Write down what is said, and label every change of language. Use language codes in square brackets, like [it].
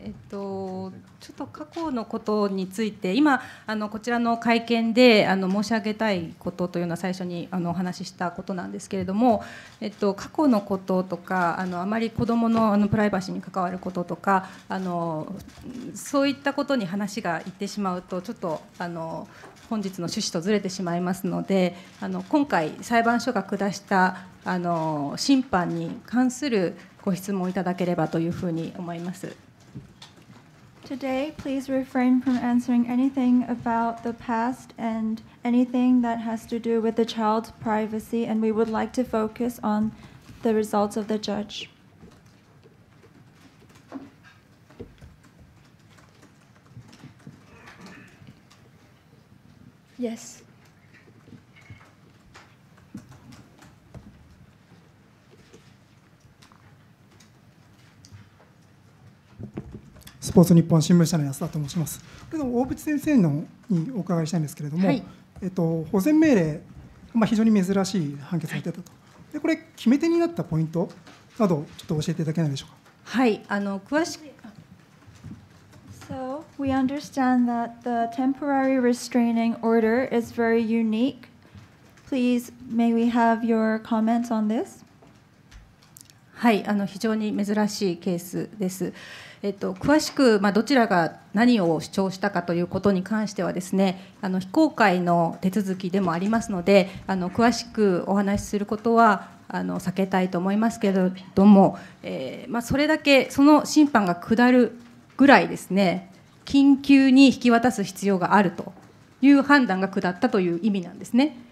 [ja] ちょっと過去のことについて、今こちらの会見で申し上げたいことというのは最初にお話ししたことなんですけれども、過去のこととか、あまり子どもの、プライバシーに関わることとか、そういったことに話がいってしまうと、ちょっと本日の趣旨とずれてしまいますので、今回裁判所が下した審判に関するご質問をいただければというふうに思います。 [en] Today, please refrain from answering anything about the past and anything that has to do with the child's privacy, and we would like to focus on the results of the judge. Yes. [ja] スポーツ日本新聞社の安田と申します。大渕先生のにお伺いしたいんですけれども、はい、保全命令、非常に珍しい判決が出たと、はい、でこれ決め手になったポイントなどちょっと教えていただけないでしょうか。はい、詳しく [en] So we understand that the temporary restraining order is very unique. Please may we have your comments on this? [ja] はい、非常に珍しいケースです。詳しく、どちらが何を主張したかということに関してはですね、非公開の手続きでもありますので、詳しくお話しすることは避けたいと思いますけれども、それだけその審判が下るぐらいですね、緊急に引き渡す必要があるという判断が下ったという意味なんですね。